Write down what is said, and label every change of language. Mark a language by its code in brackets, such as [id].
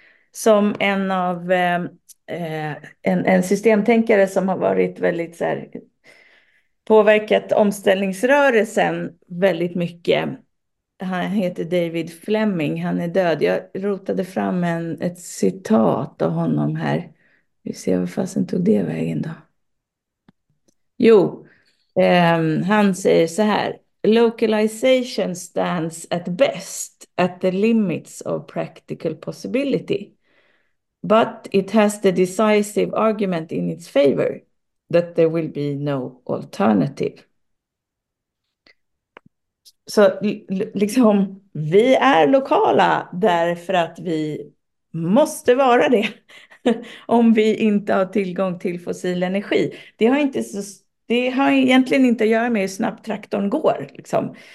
[sv] Som en av en systemtänkare som har varit väldigt så här, påverkat omställningsrörelsen väldigt mycket. Han heter David Fleming. Han är död. Jag rotade fram ett citat av honom här. Vi ser vad fasen tog det vägen då. Jo, han säger så här. [en] Localization stands at best at the limits of practical possibility. But it has the decisive argument in its favor that there will be no alternative. [sv] Så liksom, vi är lokala därför att vi måste vara det. Om vi inte har tillgång till fossil energi. Det har egentligen inte att göra med hur snabbt traktorn går. Liksom.